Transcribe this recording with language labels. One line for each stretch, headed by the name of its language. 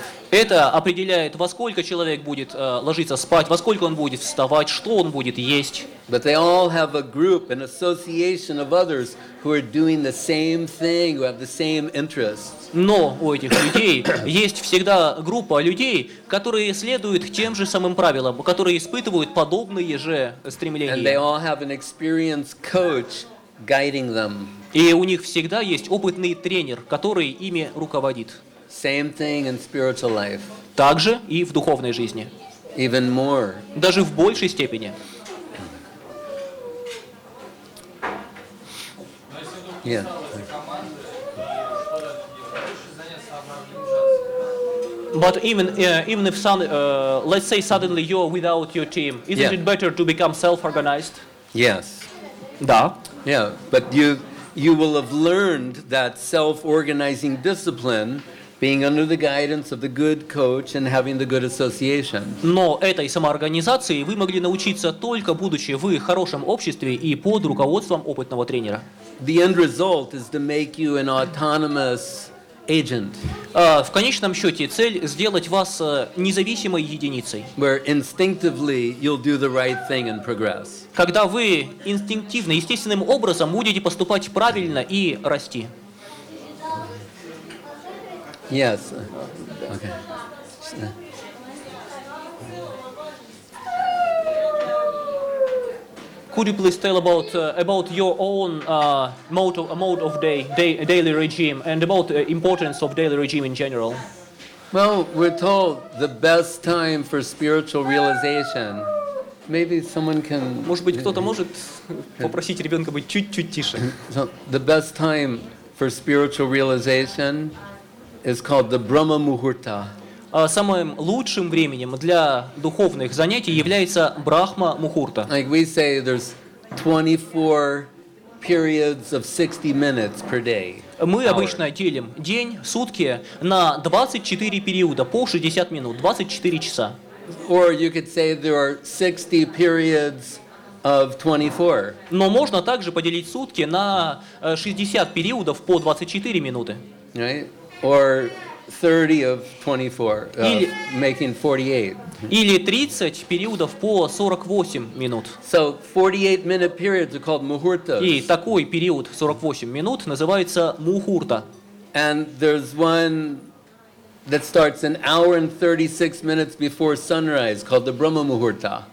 Russian: Это определяет, во сколько человек будет ложиться спать, во сколько он будет вставать, что он будет есть.
English: But they all have a group, an association of others who are doing the same thing, who have the same interests.
Russian: Но у этих людей есть всегда группа людей, которые следуют тем же самым правилам, которые испытывают подобные же стремления.
English: And they all have an experienced coach guiding them.
Russian: И у них всегда есть опытный тренер, который ими руководит.
English: Same thing in spiritual life.
Russian: Также и в духовной жизни.
English: Even more.
Russian: Даже в большей степени.
English: Yeah. But even if let's say suddenly you're without your team, isn't it better to become self-organized? Yes.
Russian: Да.
English: Yeah, but you will have learned that self-organizing discipline, being under the guidance of the good coach and having the good association.
Russian: Но этой самоорганизации вы могли научиться только будучи в хорошем обществе и под руководством опытного тренера.
English: The end result is to make you an autonomous agent.
Russian: В конечном счете цель сделать вас независимой единицей.
English: Where instinctively you'll do the right thing and progress.
Russian: Когда вы инстинктивно, естественным образом будете поступать правильно и расти.
English: Yes. Okay. Could you please tell about your own mode of daily regime and about the importance of daily regime in general? Well, we're told the best time for spiritual realization. Maybe someone can.
Russian: Может быть, кто-то может попросить ребенка быть чуть-чуть тише.
English: So the best time for spiritual realization. It's called the Brahma Muhurta.
Russian: Самым лучшим временем для духовных занятий является Брахма Мухурта.
English: Like we say, there's 24 periods of 60 minutes per day.
Russian: Мы обычно делим день, сутки на 24 периода по 60 минут, 24 часа.
English: Or you could say there are 60 periods of 24.
Russian: Но можно также поделить сутки на 60 периодов по 24 минуты.
English: Right? Or 30 of 24,
Russian: или,
English: making 48.
Russian: Или 30 периодов по 48 минут.
English: So 48-minute periods are called muhurtas.
Russian: И такой период 48 минут называется мухурта.
English: And there's one that starts an hour and 36 minutes before sunrise, called the Brahma Muhurta.